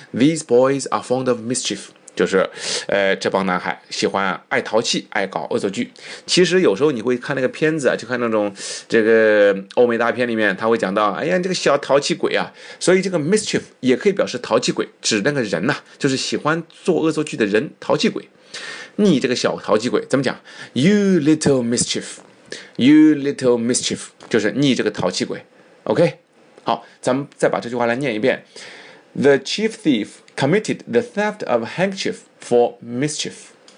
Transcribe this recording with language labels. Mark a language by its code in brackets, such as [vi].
[en] These boys are fond of mischief, [zh] 就是这帮男孩喜欢爱淘气爱搞恶作剧。其实有时候你会看那个片子啊，就看那种这个欧美大片里面他会讲到，哎呀这个小淘气鬼啊，所以这个 mischief 也可以表示淘气鬼，指那个人啊，就是喜欢做恶作剧的人，淘气鬼。你这个小淘气鬼怎么讲？ [en] You little mischief, you little mischief, [zh] 就是你这个淘气鬼。 OK,好，咱们再把这句话来念一遍。 [en] The chief thief committed the theft of handkerchief for mischief.